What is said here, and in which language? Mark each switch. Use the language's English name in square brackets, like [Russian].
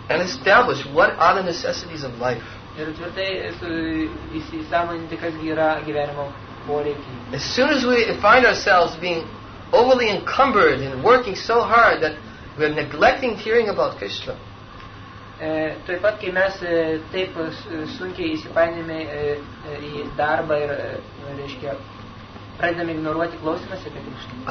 [English] And establish what are the necessities of life. [Lithuanian] Ir tvirtai įsisąmoninti, kas gi yra gyvenimo poreikiai. [English] As soon as we find ourselves being overly encumbered and working so hard that we are neglecting hearing about Krishna. [Lithuanian] Taip pat, kai mes taip sunkiai įsipainėme į darbą ir, reiškia, pradedame ignoruoti klausimas apie Krishna.